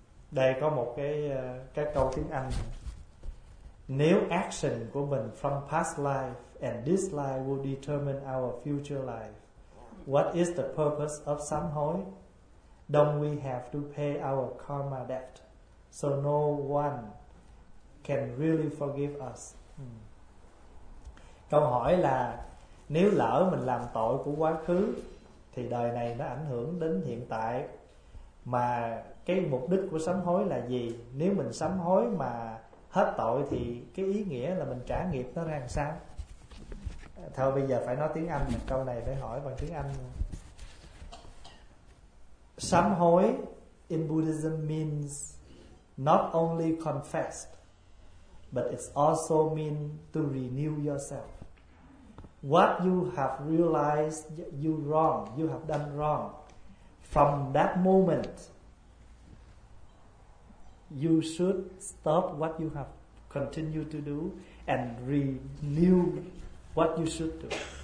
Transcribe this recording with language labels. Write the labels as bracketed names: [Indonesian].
[Vietnamese] Đây có một cái câu tiếng Anh: nếu [English] action [Vietnamese] của mình [English] from past life and this life will determine our future life, what is the purpose of sám hối? Don't we have to pay our karma debt so no one can really forgive us? [Vietnamese] Câu hỏi là nếu lỡ mình làm tội của quá khứ thì đời này nó ảnh hưởng đến hiện tại, mà cái mục đích của sám hối là gì? Nếu mình sám hối mà hết tội thì cái ý nghĩa là mình trả nghiệp nó ra làm sao? Thôi bây giờ phải nói tiếng Anh, câu này phải hỏi bằng tiếng Anh. [English] Sám hối in Buddhism means not only confess, but it also means to renew yourself. What you have realized you wrong, you have done wrong, from that moment, you should stop what you have continued to do and renew what you should do.